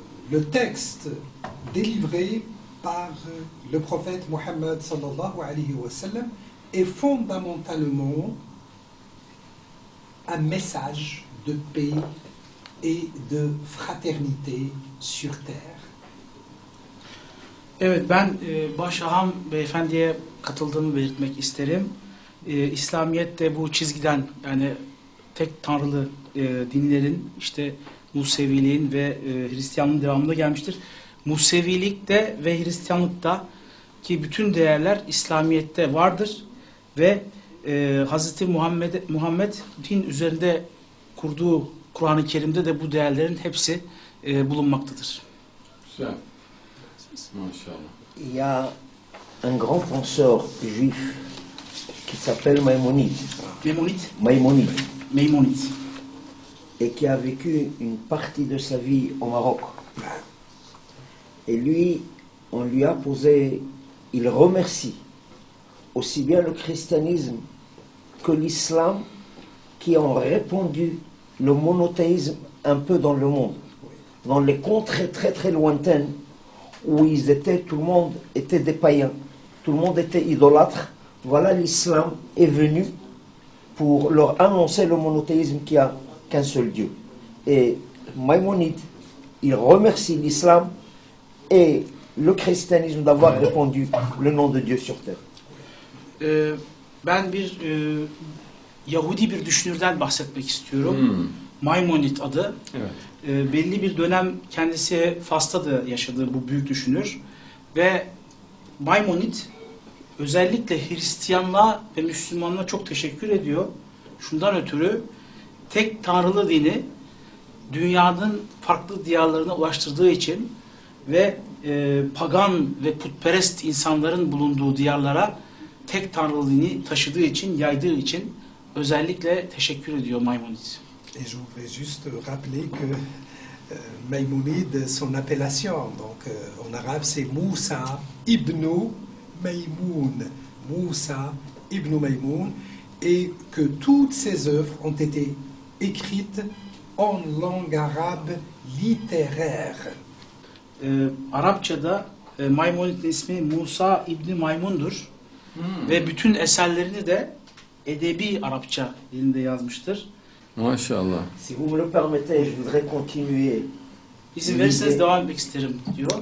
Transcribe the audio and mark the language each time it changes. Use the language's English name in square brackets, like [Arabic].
[French] Le texte délivré par le prophète Mohammed [Arabic] sallallahu alayhi wa sallam [French] est fondamentalement un message de paix et de fraternité sur terre. [Turkish] Evet, ben Başaham beyefendiye katıldığımı belirtmek isterim. İslamiyet de bu çizgiden, yani tek tanrılı dinlerin, işte Museviliğin ve Hristiyanlığın devamında gelmiştir. Musevilik de ve Hristiyanlık da ki bütün değerler İslamiyet'te vardır ve Hazreti Muhammed din üzerinde kurduğu Kur'an-ı Kerim'de de bu değerlerin hepsi bulunmaktadır. Güzel. Maşallah. [French] Ya un grand penseur juif qui s'appelle Maïmonide, et qui a vécu une partie de sa vie au Maroc. Et lui, on lui a posé, il remercie aussi bien le christianisme que l'islam qui ont répandu le monothéisme un peu dans le monde, dans les contrées très très lointaines où ils étaient, tout le monde était des païens, tout le monde était idolâtre. Voilà, l'islam est venu pour leur annoncer le monothéisme qui a qu'un seul Dieu. Et Maïmonide, il remercie l'islam et le christianisme d'avoir répandu le nom de Dieu sur terre. [Turkish] Ben bir Yahudi bir düşünürden bahsetmek istiyorum. Maïmonide adı. Evet. Belli bir dönem kendisi Fas'ta da yaşadı, bu büyük düşünür. Ve Maïmonide özellikle Hristiyanlığa ve Müslümanlığa çok teşekkür ediyor. Şundan ötürü tek tanrılı dini dünyanın farklı diyarlarına ulaştırdığı için ve pagan ve putperest insanların bulunduğu diyarlara tek tanrılı dini taşıdığı için, yaydığı için özellikle teşekkür ediyor Maïmonide. [French] Je voudrais juste rappeler que Maïmonide, son appellation, donc en arabe c'est Moussa ibn Maïmoun, Moussa ibn Maïmoun, et que toutes ses œuvres ont été écrites en langue arabe littéraire. [Turkish] Arapçada Maymonides'in ismi Musa İbni Maymun'dur. Ve bütün eserlerini de edebi Arapça dilinde yazmıştır. Maşallah. [French] Si vous me le permettez, je voudrais continuer. [Turkish] İzin verirseniz devam etmek isterim diyor.